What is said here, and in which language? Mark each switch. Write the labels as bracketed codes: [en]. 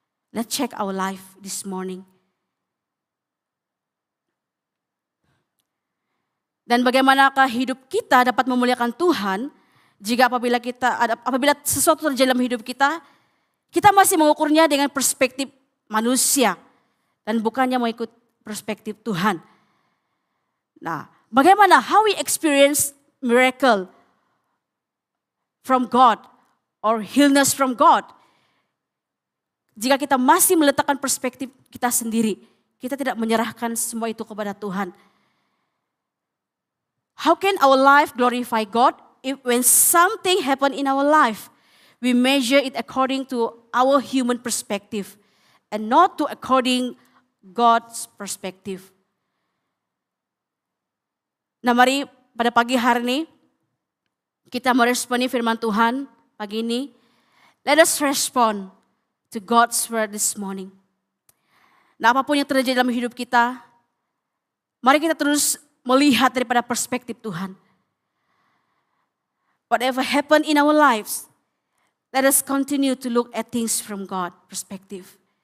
[en] Let's check our life this morning. [ms] Dan bagaimanakah hidup kita dapat memuliakan Tuhan jika apabila sesuatu terjadi dalam hidup kita, kita masih mengukurnya dengan perspektif manusia dan bukannya mengikut perspektif Tuhan. Nah, bagaimana [en] how we experience miracle from God or healness from God? [ms] Jika kita masih meletakkan perspektif kita sendiri, kita tidak menyerahkan semua itu kepada Tuhan. [en] How can our life glorify God if when something happen in our life, we measure it according to our human perspective and not to according God's perspective? [ms] Nah, mari pada pagi hari ini kita meresponi firman Tuhan pagi ini. [en] Let us respond to God's word this morning. [ms] Nah, apapun yang terjadi dalam hidup kita, mari kita terus melihat daripada perspektif Tuhan. [en] Whatever happen in our lives, let us continue to look at things from God's perspective.